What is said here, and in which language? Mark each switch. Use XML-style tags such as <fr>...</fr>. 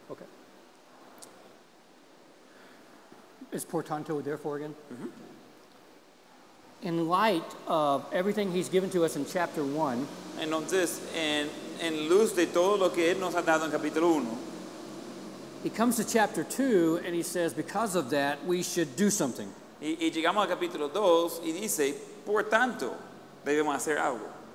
<en>Okay. Is portanto there for again? Mm-hmm. In light of everything he's given to us in chapter 1.</en> <es>Entonces, en luz de todo lo que él nos ha dado en capítulo 1.</es> <en>He comes to chapter 2 and he says, because of that, we should do something.</en> <es>Y llegamos a capítulo 2 y dice, por tanto, debemos hacer algo.</es>